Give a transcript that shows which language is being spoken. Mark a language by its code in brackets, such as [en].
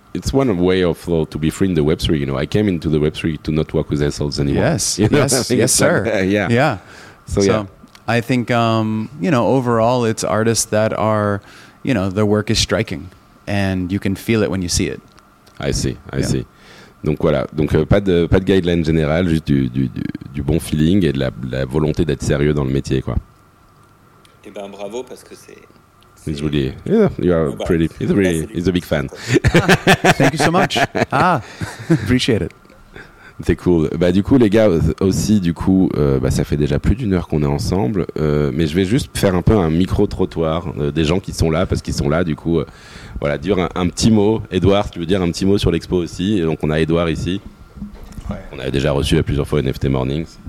[en] it's one way of flow to be free in the Web3. You know, I came into the Web3 to not work with assholes anymore. Yes, you know? Yes, yes, sir. Like, yeah. Yeah. So yeah. I think, you know, overall, it's artists that are, you know, their work is striking and you can feel it when you see it. I see. [fr] Donc voilà, donc pas de [en] guideline [fr] générale, juste du bon feeling et de la volonté d'être sérieux dans le métier, quoi. Eh ben bravo, parce que c'est... [en] He's really, yeah, you are pretty, he's really, he's a big fan. Thank you so much. Appreciate it. [fr] C'est cool. Bah du coup, les gars, aussi, du coup, bah, ça fait déjà plus d'une heure qu'on est ensemble, mais je vais juste faire un peu un micro-trottoir des gens qui sont là, parce qu'ils sont là, du coup, voilà, dire un petit mot. Edouard, tu veux dire un petit mot sur l'expo aussi? Et donc, on a Edouard ici. Ouais. On avait déjà reçu à plusieurs fois NFT Mornings.